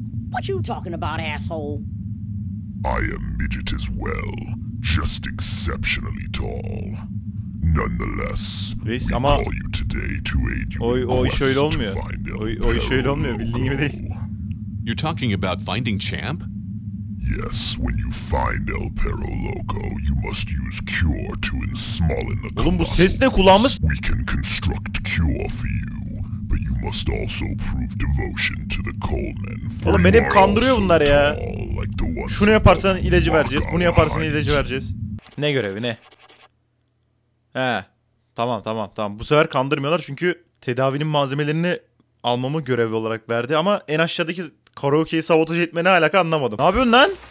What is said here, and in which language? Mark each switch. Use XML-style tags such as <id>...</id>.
<en>What you talking about, asshole? I am midget as well, just exceptionally tall. Nonetheless, reis, we ama call you today to aid you</en> <tr>oy şöyle olmuyor, bildiğin gibi değil.</tr> <en>You're talking about finding champ? Yes, when you find El Perro Loco, you must use cure to ensmallen the colossus.</en> <tr>Oğlum bu ses ne kulağımız?</tr> <en>We can construct cure for you. But you must also prove devotion to the Coleman.</en> <tr>Oğlum beni hep kandırıyor bunlar ya. Şunu yaparsan ilacı vereceğiz, bunu yaparsan ilacı vereceğiz. Ne görevi ne? Tamam. Bu sefer kandırmıyorlar çünkü tedavinin malzemelerini almamı görevi olarak verdi. Ama en aşağıdaki karaoke'yi sabotaj etme ne alaka anlamadım. Ne yapıyorsun lan?</tr>